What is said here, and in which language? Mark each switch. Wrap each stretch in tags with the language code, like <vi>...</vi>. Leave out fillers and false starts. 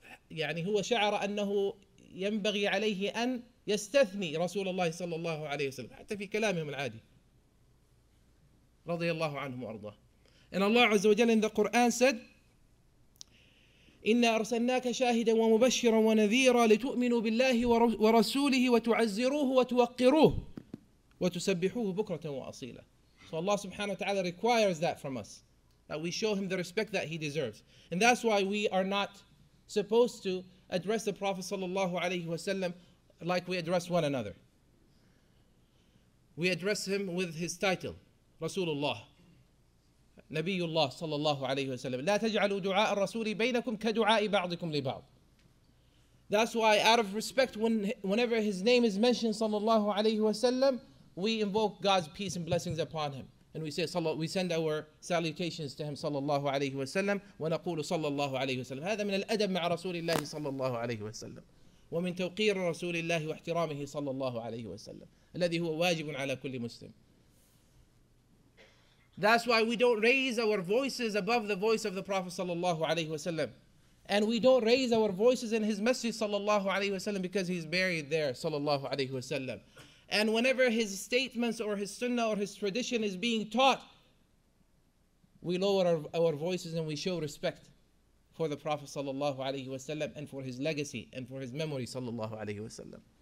<ar>يعني هو شعر أنه ينبغي عليه أن يستثني رسول الله صلى الله عليه وسلم حتى في كلامهم العادي رضي الله عنهم وأرضاه.</ar> <en>And Allah عز وجل in the Quran said,</en> <ar>إِنَّا أَرْسَلْنَاكَ شَاهِدًا وَمُبَشِّرًا وَنَذِيرًا لِتُؤْمِنُوا بِاللَّهِ وَرَسُولِهِ وَتُعَزِّرُوهُ وَتُوَقِّرُوهُ وَتُسَبِّحُوهُ بُكْرَةً وَأَصِيلًا.</ar> <en>So Allah subhanahu wa ta'ala requires that from us, that we show him the respect that he deserves. And that's why we are not supposed to address the Prophet sallallahu alayhi wa sallam like we address one another. We address him with his title, Rasulullah, Nabiullah sallallahu alayhi wa sallam.</en> <ar>لا تجعلوا دعاء الرسول بينكم كدعاء بعضكم لبعض.</ar> <en>That's why out of respect, whenever his name is mentioned sallallahu alayhi wa sallam, we invoke God's peace and blessings upon him, and we send our salutations to him sallallahu alayhi wa sallam,</en> <ar>wa naqulu sallallahu alayhi wa sallam. هذا من الأدب مع رسول الله صلى الله عليه وسلم ومن توقير رسول الله واحترامه صلى الله عليه وسلم الذي هو واجب على كل مسلم.</ar> <en>That's why we don't raise our voices above the voice of the Prophet sallallahu alayhi wa sallam, and we don't raise our voices in his message sallallahu alayhi wa sallam, because he's buried there sallallahu alayhi wa sallam. And whenever his statements or his sunnah or his tradition is being taught, we lower our voices and we show respect for the Prophet sallallahu alaihi wasallam and for his legacy and for his memory sallallahu alaihi wasallam.</en>